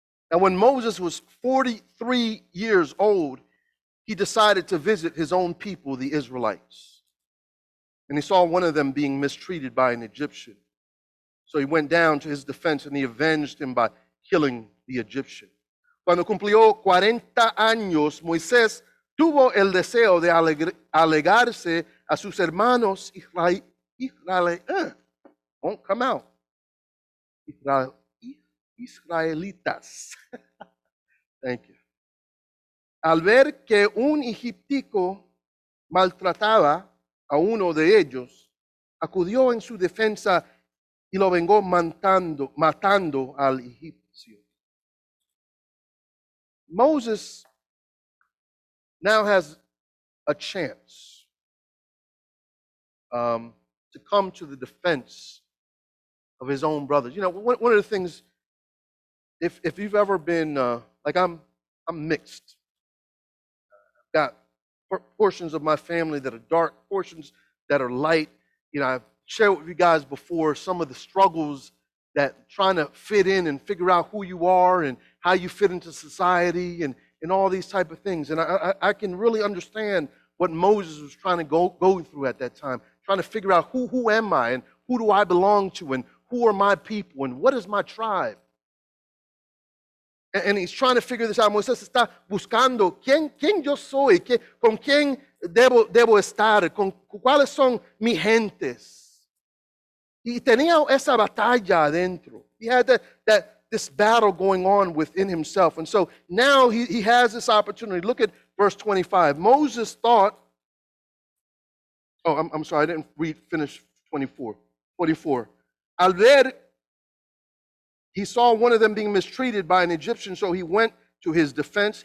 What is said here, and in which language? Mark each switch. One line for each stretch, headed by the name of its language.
English: And when Moses was 43 years old, he decided to visit his own people, the Israelites. And he saw one of them being mistreated by an Egyptian. So he went down to his defense and he avenged him by killing the Egyptian.
Spanish: Cuando cumplió 40 años, Moisés tuvo el deseo de alegarse a sus hermanos israelitas.
English: Thank you.
Spanish: Al ver que un egiptico maltrataba a uno de ellos, acudió en su defensa y lo vengó matando al egipcio.
English: Moses now has a chance to come to the defense of his own brothers. You know, one of the things, if you've ever been, like I'm mixed. I've got portions of my family that are dark, portions that are light. You know, I've shared with you guys before some of the struggles that trying to fit in and figure out who you are and how you fit into society and all these type of things. And I can really understand what Moses was trying to go through at that time, trying to figure out who am I and who do I belong to and who are my people and what is my tribe? And he's trying to figure this out.
Spanish: Moses está buscando quién yo soy, con quién debo estar, con cuáles son mis gentes. Y tenía esa batalla adentro.
English: He had this battle going on within himself. And so now he has this opportunity. Look at verse 25. Moses thought, I'm sorry, I didn't finish 24.
Spanish: Al ver,
English: he saw one of them being mistreated by an Egyptian, so he went to his defense.